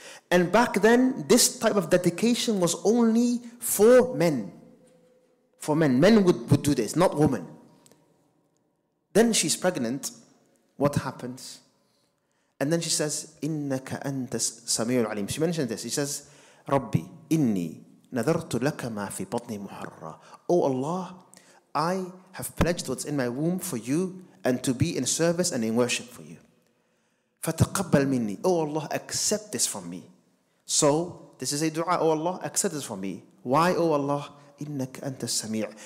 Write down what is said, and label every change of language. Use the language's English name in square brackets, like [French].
[English] And back then, this type of dedication was only for men. For men. Men would do this, not women. Then she's pregnant. What happens? And then she says, [Arabic] إِنَّكَ أَنْتَ سَمِيعُ الْعَلِيمُ. [English] She mentioned this. She says, [Arabic] رَبِّي إِنِّي نَذَرْتُ لَكَ مَا فِي بَطْنِي مُحَرَّةِ. [English] Oh Allah, I have pledged what's in my womb for you and to be in service and in worship for you. [Arabic] فَتَقَبَّلْ مِنِّي. [English] Oh Allah, accept this from me. So, this is a dua, O Allah, accept this for me. Why, O Allah? [Arabic] إِنَّكَ أَنْتَ السَّمِيعُ.